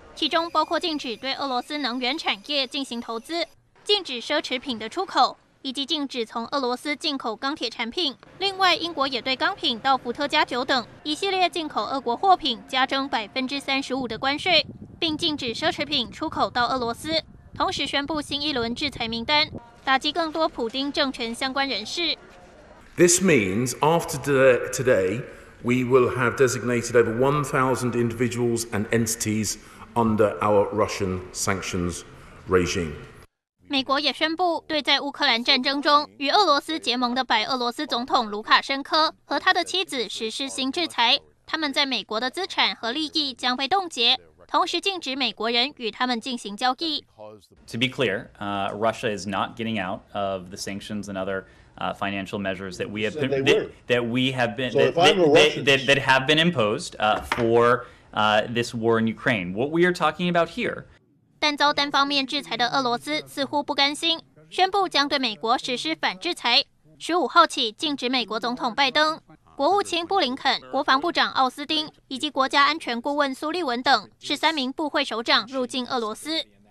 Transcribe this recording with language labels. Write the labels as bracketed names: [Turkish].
[Chinese] 其中包括禁止对俄罗斯能源产业进行投资、禁止奢侈品的出口，以及禁止从俄罗斯进口钢铁产品。另外，英国也对钢品、到伏特加酒等一系列进口俄国货品加征35%的关税，并禁止奢侈品出口到俄罗斯，同时宣布新一轮制裁名单，打击更多普丁政权相关人士。 [English] This means after today, we will have designated over 1,000 individuals and entities under our Russian sanctions regime. [Chinese] 美国也宣布对在乌克兰战争中与俄罗斯结盟的白俄罗斯总统卢卡申科和他的妻子实施新制裁，他们在美国的资产和利益将被冻结。同时禁止美国人与他们进行交易。 [English] To be clear, Russia is not getting out of the sanctions and other financial measures that we have been, that have been imposed for this war in Ukraine. What we are talking about here. [Chinese] 但遭单方面制裁的俄罗斯似乎不甘心，宣布将对美国实施反制裁。 15号起禁止美国总统拜登、国务卿布林肯、国防部长奥斯汀以及国家安全顾问苏利文等13名部会首长入境俄罗斯。